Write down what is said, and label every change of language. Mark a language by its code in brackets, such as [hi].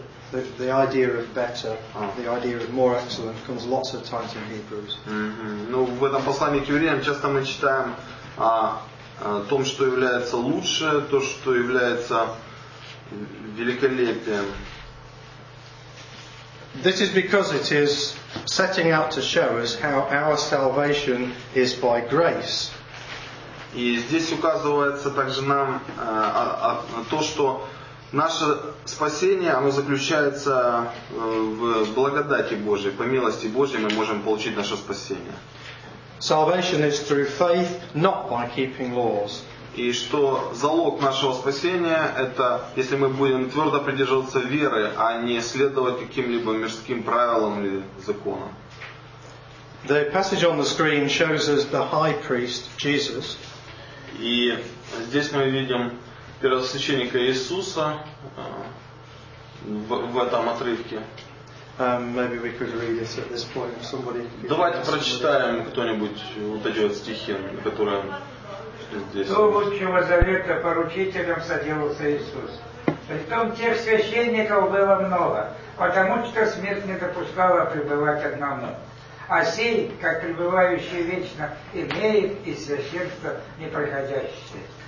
[en] The idea of better, the idea of more excellent comes lots of times in Hebrews. [ru] Ну, в этом послании к евреям часто мы читаем о том, что является лучше, то, что является великолепием. [en] This is because it is setting out to show us how our salvation is by grace. [ru] И здесь указывается также нам то, что наше спасение, оно заключается в благодати Божьей, по милости Божьей мы можем получить наше спасение. [en] Salvation is through faith, not by keeping laws. [ru] И что залог нашего спасения, это если мы будем твердо придерживаться веры, а не следовать каким-либо мирским правилам или законам. [en] The passage on the screen shows us the high priest Jesus. [ru] И здесь мы видим первосвященника Иисуса в этом отрывке. [en] Maybe we could read it at this point. Somebody. [ru] Давайте прочитаем кто-нибудь вот эти вот стихи, которые здесь. До лучшего завета поручителем садился Иисус. Притом тех священников было много, потому что смерть не допускала пребывать одному. А сей, как пребывающий вечно, имеет и священство непроходящее.